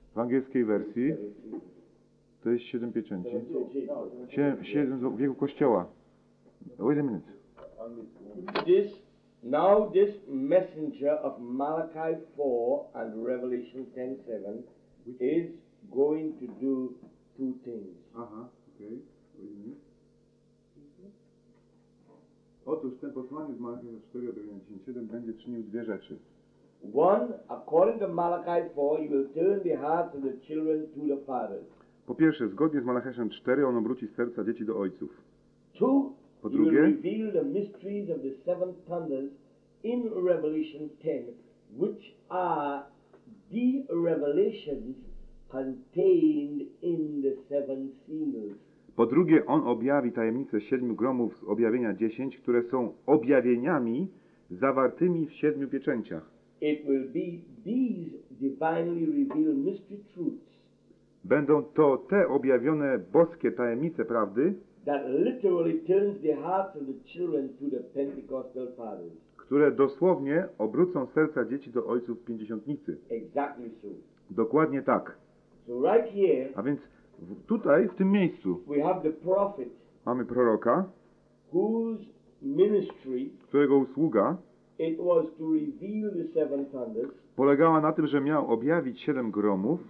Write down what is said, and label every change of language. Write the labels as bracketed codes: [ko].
[pl] W angielskiej wersji to jest siedem pieczęci. Siedem wieków Kościoła. [en] Wait a minute. This, now this messenger of Malachi 4 and Revelation 10:7 is going to do two things. Aha, okay. Wait a minute. [pl] Otóż ten posłaniec z Malachi 4 do 10:7 będzie czynił dwie rzeczy. [en] One, according to Malachi 4, he will turn the hearts of the children to the fathers. [pl] Po pierwsze, zgodnie z Malachiem 4, on obróci serca dzieci do ojców. [en] Two, [pl] po drugie, [en] he will reveal the mysteries of the seven thunders in Revelation 10, which are the revelations contained in the seven seals. [pl] Po drugie, on objawi tajemnice siedmiu gromów z objawienia 10, które są objawieniami zawartymi w siedmiu pieczęciach. [en] It will be these divinely revealed mystery truths. [pl] Będą to te objawione boskie tajemnice prawdy. [en] That literally turns the hearts of the children to the Pentecostal fathers. [pl] Które dosłownie obrócą serca dzieci do ojców pięćdziesiątnicy. [en] Exactly so. [pl] Dokładnie tak. [en] So right here, [pl] a więc tutaj, w tym miejscu, [en] we have the prophet, [pl] mamy proroka, [en] whose ministry, [pl] którego usługa [en] it was to reveal the seven thunders, [pl] polegała na tym, że miał objawić siedem gromów,